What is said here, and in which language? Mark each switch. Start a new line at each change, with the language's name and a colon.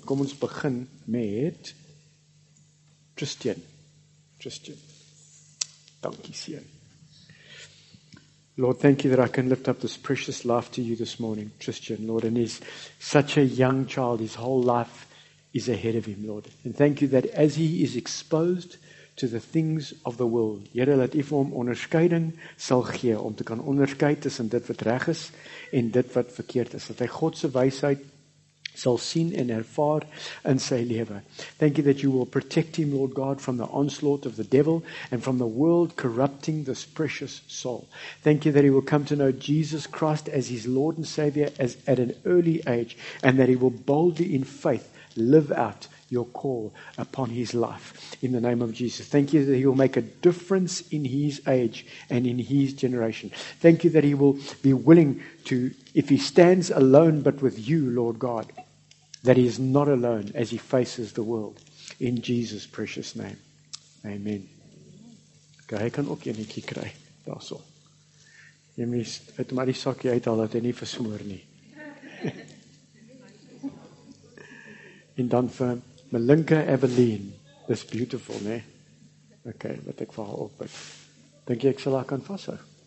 Afrikaans: Kom ons begin met Christian. Dankie, seun.
English: Lord, thank you that I can lift up this precious life to you this morning, Christian, Lord. And he's such a young child. His whole life is ahead of him, Lord. And thank you that as he is exposed to the things of the world,
Afrikaans: Here, laat u vir hom onderskeiding sal gee om te kan onderskei tussen dit wat reg is en dit wat verkeerd is. Dat hy God se wysheid sal sien en ervaar in sy lewe.
English: Thank you that you will protect him, Lord God, from the onslaught of the devil and from the world corrupting this precious soul. Thank you that he will come to know Jesus Christ as his Lord and Savior as at an early age, and that he will boldly in faith live out your call upon his life in the name of Jesus. Thank you that he will make a difference in his age and in his generation. Thank you that he will be willing to, if he stands alone but with you, Lord God, that he is not alone as he faces the world in Jesus' precious name.
Afrikaans: Amen. Okay, hy kan ook enetjie kry, daarso. Jy mis, het maar die sakkie uithaal dat hy nie versmoor nie. En dan vir Melinka Evelyn,
English: this beautiful,
Afrikaans: né? Okay, wat ek vir haar op. Dink jy ek sal haar kan vashou?